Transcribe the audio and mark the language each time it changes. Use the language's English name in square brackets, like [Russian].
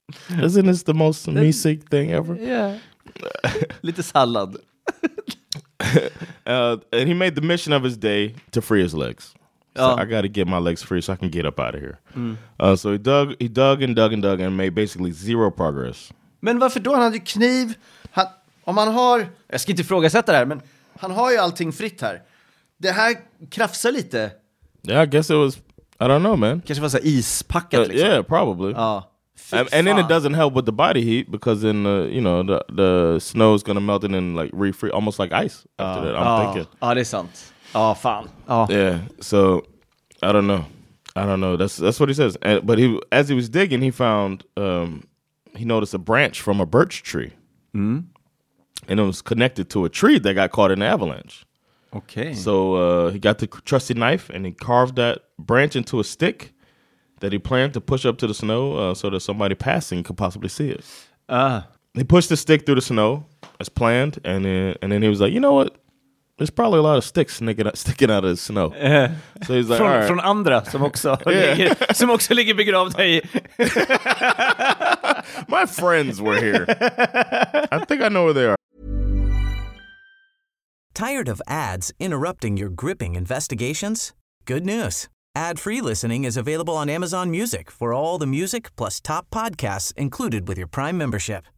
[English] Isn't this the most meesick thing ever? Yeah. Little salad. And he made the mission of his day to free his legs. So I got to get my legs free so I can get up out of here. Mm. So he dug and made basically zero progress. [Swedish] Men varför då? Han hade kniv. Om man har, jag ska inte ifrågasätta det här, men han har ju allting fritt här. Det här krafsar lite. [English] Yeah, I guess it was, I don't know, man. [Swedish] Kanske var så ispackat liksom. [English] Yeah, probably. [Swedish] Ja. [English] And then it doesn't help with the body heat because then, you know, the snow is going to melt and then like refreeze, almost like ice after that, I'm thinking. [Swedish] Ja, det är sant. Ja, fan. [English] Yeah, so, I don't know. That's what he says. But as he was digging, he found, he noticed a branch from a birch tree. Mm. And it was connected to a tree that got caught in the avalanche. Okay. So he got the trusty knife and he carved that branch into a stick that he planned to push up to the snow so that somebody passing could possibly see it. He pushed the stick through the snow as planned, and then he was like, you know what? There's probably a lot of sticks sticking out of the snow. So he's like, from right. [Swedish] Andra som också som också ligger begravd här. [English] My friends were here. I think I know where they are. Tired of ads interrupting your gripping investigations? Good news. Ad-free listening is available on Amazon Music for all the music plus top podcasts included with your Prime membership.